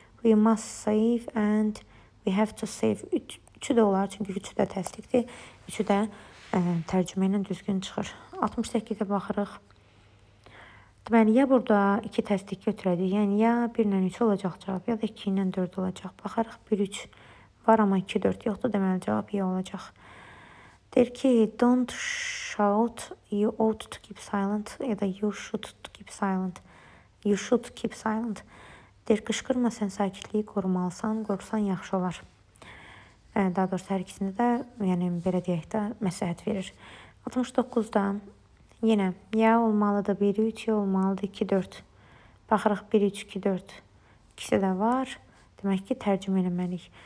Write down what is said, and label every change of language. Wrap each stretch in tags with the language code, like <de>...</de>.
<en>We must save and we have to save.</en> <az>Üçü də olar, çünki üçü də təsdiqdir. Üçü də tərcümə ilə düzgün çıxır. 68-də baxırıq. Deməli, ya burada iki təsdiq götürədik. Yəni, ya 1 ilə 3 olacaq cavab, ya da 2 ilə 4 olacaq. Baxırıq, 1-3 var, amma 2-4 yoxdur. Deməli, cavab iyi olacaq. Deyir ki,</az> <en>don't shout, you ought to keep silent,</en> <az>ya da</az> <en>you should keep silent. You should keep silent.</en> <az>Deyir, qışqırma, sən sakitliyi qorumalısan, qorursan yaxşı olar. Daha doğrusu, hər ikisində də, yəni, belə deyək də, məsləhət verir. 69-da yenə, ya olmalıdır, 1-3, ya olmalıdır, 2-4. Baxırıq 1, 3, 2, 4. İkisi də var. Demək ki, tərcümə eləməliyik.</az>